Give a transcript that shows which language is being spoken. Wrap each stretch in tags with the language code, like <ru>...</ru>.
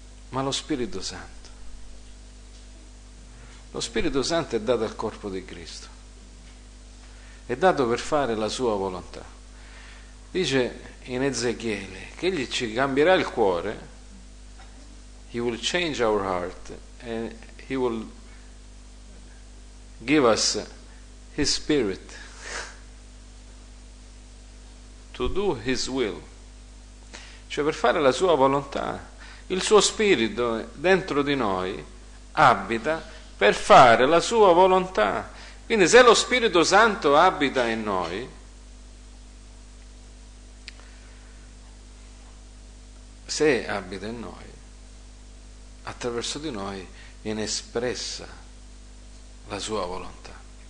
<it>Ma lo Spirito Santo è dato al corpo di Cristo. È dato per fare la sua volontà. Dice in Ezechiele che egli ci cambierà il cuore,</it> <en>he will change our heart and he will give us his spirit to do his will.</en> <it>Cioè per fare la sua volontà, il suo spirito dentro di noi abita per fare la sua volontà. Quindi se lo Spirito Santo abita in noi, se abita in noi, attraverso di noi viene espressa la sua volontà.</it>